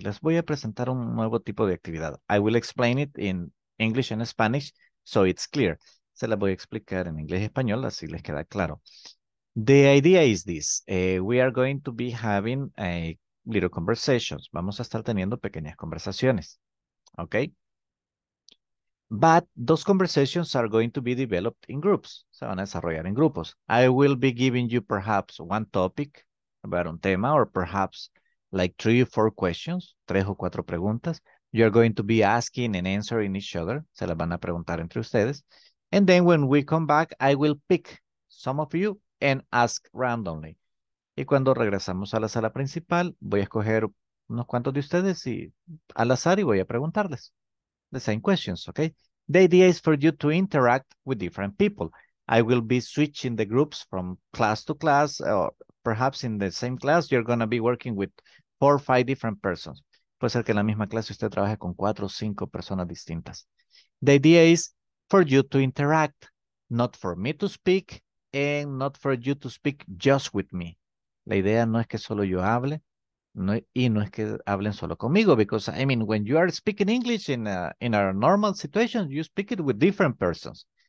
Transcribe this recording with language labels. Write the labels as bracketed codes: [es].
[es] Les voy a presentar un nuevo tipo de actividad. [en] I will explain it in English and Spanish, so it's clear. [es] Se la voy a explicar en inglés y español, así les queda claro. [en] The idea is this. We are going to be having a little conversations. [es] Vamos a estar teniendo pequeñas conversaciones. Okay? [en] But those conversations are going to be developed in groups. [es] Se van a desarrollar en grupos. [en] I will be giving you perhaps one topic about [es] un tema, [en] or perhaps like 3 or 4 questions, [es] 3 o 4 preguntas. [en] You are going to be asking and answering each other. [es] Se las van a preguntar entre ustedes. [en] And then when we come back, I will pick some of you and ask randomly. [es] Y cuando regresamos a la sala principal, voy a escoger unos cuantos de ustedes y al azar y voy a preguntarles [en] the same questions, [es] okay? [en] The idea is for you to interact with different people. I will be switching the groups from class to class, or perhaps in the same class, you're going to be working with 4 or 5 different persons. [es] Puede ser que en la misma clase usted trabaje con 4 o 5 personas distintas. [en] The idea is for you to interact, not for me to speak, and not for you to speak just with me. [es] La idea no es que solo yo hable, no, y no es que hablen solo conmigo, [en] because, I mean, when you are speaking English in a normal situation, you speak it with different persons.